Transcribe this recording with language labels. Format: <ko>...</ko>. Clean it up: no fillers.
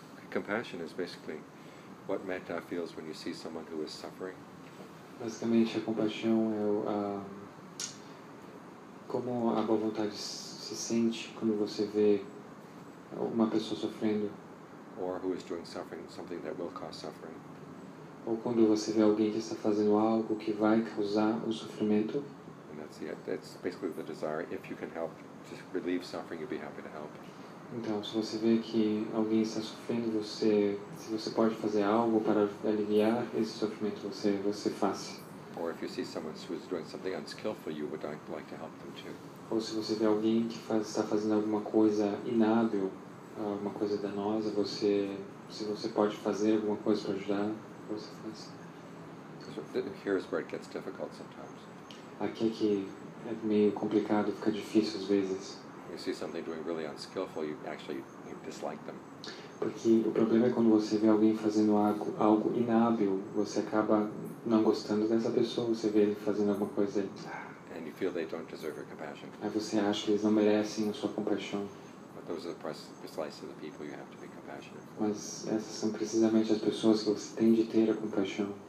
<en>Compassion is basically what metta feels when you see someone who is suffering.</en> <pt>Basicamente, a compaixão é como a boa vontade se sente quando você vê uma pessoa sofrendo.</pt> <en>Or who is doing suffering, something that will cause suffering.</en> <pt>Ou quando você vê alguém que está fazendo algo que vai causar um sofrimento.</pt> <en>That's basically the desire. If you can help to relieve suffering, you'd be happy to help.</en> <pt>Então, se você vê que alguém está sofrendo, se você pode fazer algo para aliviar esse sofrimento, você faz.</pt> <en>Or if you see someone who is doing something unskillful, you would like to help them too.</en> <pt>Ou se você vê alguém que está fazendo alguma coisa inábil, alguma coisa danosa, se você pode fazer alguma coisa para ajudar, você faz.</pt> <en>Here's where it gets difficult sometimes.</en> <pt>Aqui é que é meio complicado, fica difícil às vezes.</pt> <en>You see something doing really unskillful, you dislike them.</en> <pt>Porque o problema é quando você vê alguém fazendo algo inábil, você acaba não gostando dessa pessoa, você vê ele fazendo alguma coisa e...</pt> <en>And you feel they don't deserve your compassion.</en> <pt>Aí você acha que eles não merecem a sua compaixão.</pt> <en>But those are precisely the people you have to be compassionate for.</en> <pt>Mas essas são precisamente as pessoas que você tem de ter a compaixão.</pt>